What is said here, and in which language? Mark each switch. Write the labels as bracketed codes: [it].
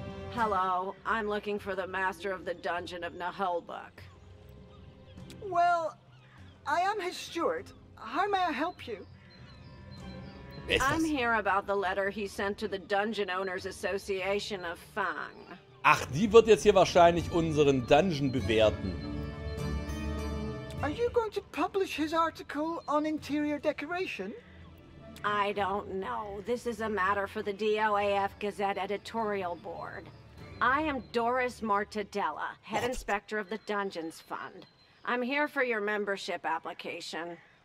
[en] Hello, I'm looking for the master of the Dungeon of Nahulbuk. Well, I am his steward. How may I help you? I'm here about the letter he sent to the Dungeon Owners Association of Fang. [de] Ach, die wird jetzt hier wahrscheinlich unseren Dungeon bewerten. [en] Are you going to publish his article on interior decoration? I don't know. This is a matter for the DOAF Gazette editorial board. I am Doris Martadella, head inspector of the Dungeons Fund. I'm here for your membership application.